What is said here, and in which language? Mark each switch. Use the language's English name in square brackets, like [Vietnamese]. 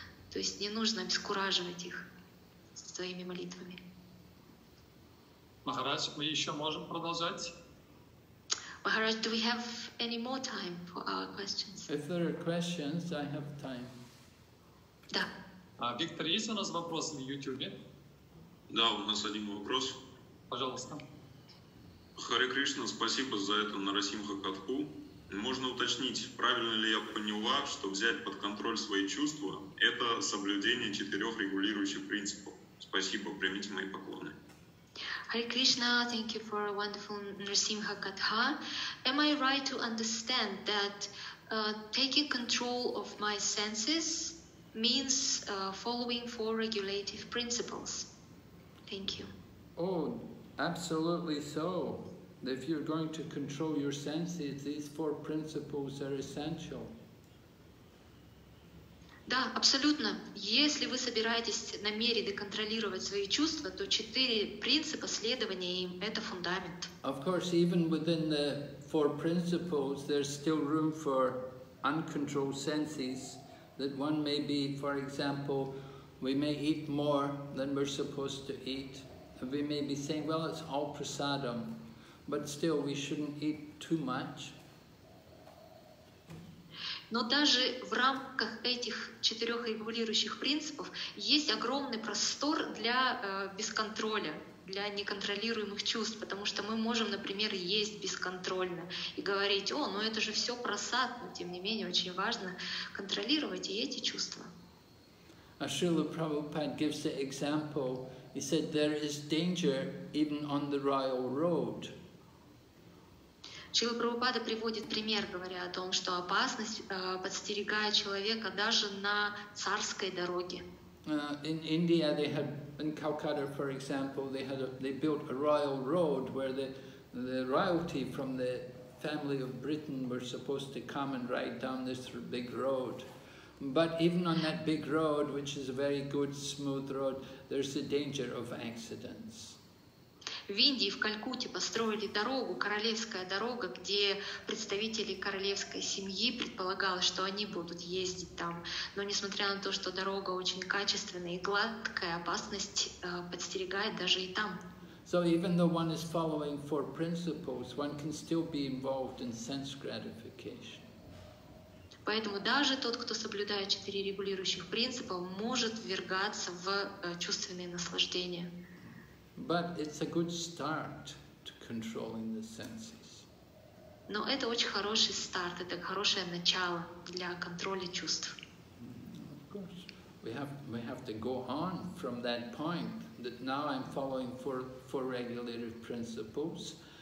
[Russian] То есть не нужно обескураживать их своими молитвами. Махарадж, мы еще можем продолжать? [English] Maharaj, do we have any more time for our questions? If there are questions, I have time. [Russian] Да. Виктор, есть у нас вопросы на YouTube? Да, у нас один вопрос. Пожалуйста. Харе Кришна, спасибо за это Нарасимха Катху. Можно уточнить, правильно ли я поняла, что взять под контроль свои чувства – это соблюдение четырех регулирующих принципов? Спасибо, примите мои поклоны. [English] Hare Krishna, thank you for a wonderful Narasimha Katha. Am I right to understand that taking control of my senses means following four regulative principles? Thank you. Oh, absolutely so. If you're going to control your senses, these four principles are essential. [Russian] Да, абсолютно. Если вы собираетесь намеренно контролировать свои чувства, то четыре принципа следования им – это фундамент. [English] Of course, even within the four principles, there's still room for uncontrolled senses. That one may be, for example, we may eat more than we're supposed to eat. And we may be saying, well, it's all prasadam, but still we shouldn't eat too much. [Russian] Но даже в рамках этих четырех регулирующих принципов есть огромный простор для бесконтроля, для неконтролируемых чувств, потому что мы можем, например, есть бесконтрольно и говорить, о, ну это же все просад, но тем не менее очень важно контролировать и эти чувства. [English] Ашрила Прабхупада gives the example, he said, there is danger even on the royal road. [Russian] Шрила Прабхупада приводит пример, говоря о том, что опасность подстерегает человека даже на царской дороге. [English] In India, they had, in Calcutta, for example, they built a royal road where the royalty from the family of Britain were supposed to come and ride down this big road. But even on that big road, which is a very good, smooth road, there's the danger of accidents. [Russian] В Индии, в Калькутте построили дорогу, королевская дорога, где представители королевской семьи предполагалось, что они будут ездить там. Но несмотря на то, что дорога очень качественная и гладкая, опасность подстерегает даже и там. [English] So even though one is following four principles, one can still be involved in sense gratification. [Russian] Поэтому даже тот, кто соблюдает четыре регулирующих принципа, может ввергаться в чувственные наслаждения. [English] But it's a good start to controlling the senses. [Russian] Но это очень хороший старт, это хорошее начало для контроля чувств. [English] Of course, we have to go on from that point that now I'm following four regulative principles.